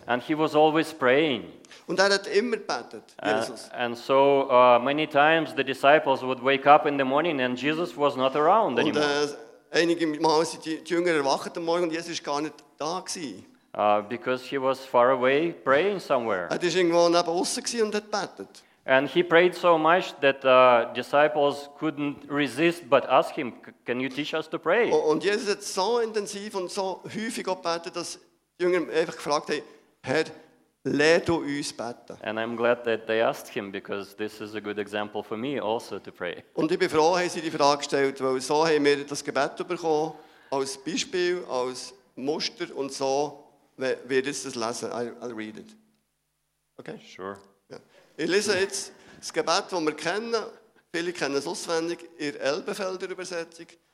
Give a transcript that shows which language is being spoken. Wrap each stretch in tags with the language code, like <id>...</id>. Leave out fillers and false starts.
<en>And he was always praying.</en> <de>Und er hat immer gebetet, Jesus.</de> <en>And so many times the disciples would wake up in the morning and Jesus was not around</en> <de>und,</de> <en>anymore.</en> <de>Einige Mal sind die Jünger erwacht am Morgen und Jesus war gar nicht da gewesen.</de> <en>Because he was far away praying somewhere.</en> <de>Er war irgendwo neben aussen und hat gebetet.</de> <en>And he prayed so much that disciples couldn't resist but ask him, can you teach us to pray?</en> <de>Und Jesus hat so intensiv und so häufig gebetet, dass die Jünger einfach gefragt haben, Herr, lehr du uns beten.</de> <en>And I'm glad that they asked him, because this is a good example for me also to pray.</en> <de>Und ich bin froh, haben sie die Frage gestellt, weil so haben wir das Gebet bekommen, als Beispiel, als Muster, und so wird es das lesen.</de> <en>I'll read it. Okay, sure.</en> <de>Ich lese jetzt das Gebet, das wir kennen. Viele kennen es auswendig, in der Elbefelder Übersetzung.</de>